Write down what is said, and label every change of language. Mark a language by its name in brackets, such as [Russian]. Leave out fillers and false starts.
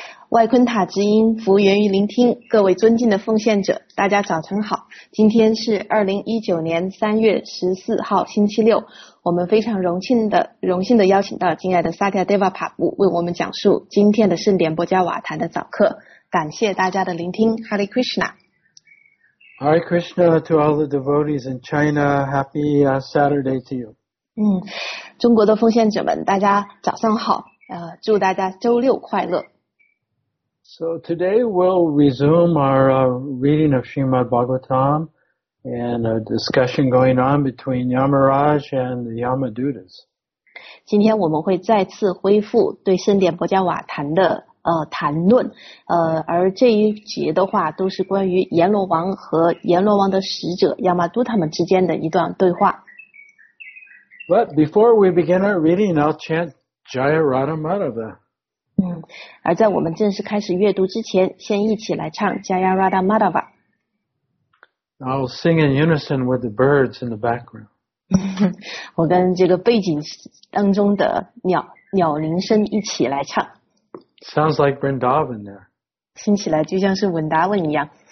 [Chinese] 外昆塔之音服务源于聆听，各位尊敬的奉献者，大家早晨好。今天是2019年3月14号星期六，我们非常荣幸地邀请到敬爱的萨迦德瓦帕布为我们讲述今天的圣典博加瓦坛的早课，感谢大家的聆听。 [English] Hare Krishna Hare Krishna to all the devotees in China. Happy Saturday to you. [Chinese] 中国的奉献者们，大家早上好，祝大家周六快乐。 [English] So today we'll resume our reading of Srimad Bhagavatam and a discussion going on between Yamaraj and the Yamadutas. [Chinese] 今天我们会再次恢复对圣典博加瓦坛的谈论，而这一节的话都是关于阎罗王和阎罗王的使者 Yamaduta 们之间的一段对话。 [English] But before we begin our reading, I'll chant Jaya Radha Madhava. [Chinese] 而在我们正式开始阅读之前，先一起来唱 Jaya Radha Madhava. [English] I'll sing in unison with the birds in the background. [Chinese] 我跟这个背景当中的鸟铃声一起来唱。 [English] Sounds like Vrindavan there. [Chinese] 听起来就像是文达文一样。